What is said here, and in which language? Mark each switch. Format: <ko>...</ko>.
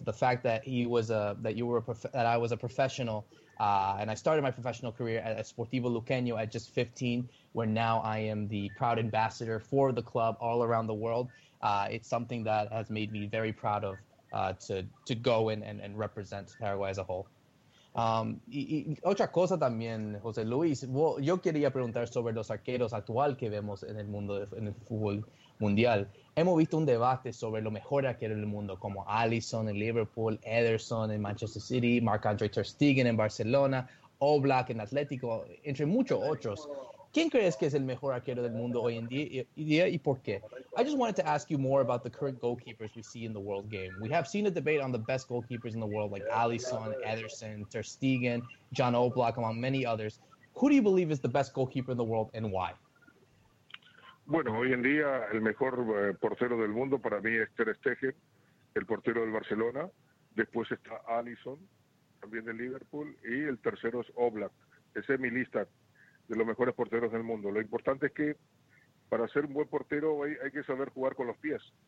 <en>The fact that I was a professional, and I started my professional career at Sportivo Luqueño at just 15, where now I am the proud ambassador for the club all around the world. It's something that has made me very proud of to go and represent Paraguay as a whole.</en> <es>Otra cosa también, José Luis, yo quería preguntar sobre los arqueros actual que vemos en el mundo, en el fútbol mundial. Hemos visto un debate sobre lo mejor arquero del mundo, como Alisson en Liverpool, Ederson en Manchester City, Marc-André Ter Stegen en Barcelona, Oblak en Atlético, entre muchos otros. ¿Quién crees que es el mejor arquero del mundo hoy en día y por qué?</es> <en>I just wanted to ask you more about the current goalkeepers we see in the world game. We have seen a debate on the best goalkeepers in the world, like Alisson, Ederson, Ter Stegen, John Oblak, among many others. Who do you believe is the best goalkeeper in the world and why?</en> <es>Bueno, hoy en día el mejor portero del mundo para mí es Ter Stegen, el portero del Barcelona. Después está Alisson, también del Liverpool. Y el tercero es Oblak. Esa es mi lista de los mejores porteros del mundo. Lo importante es que para ser un buen portero hay que saber jugar con los pies.</es>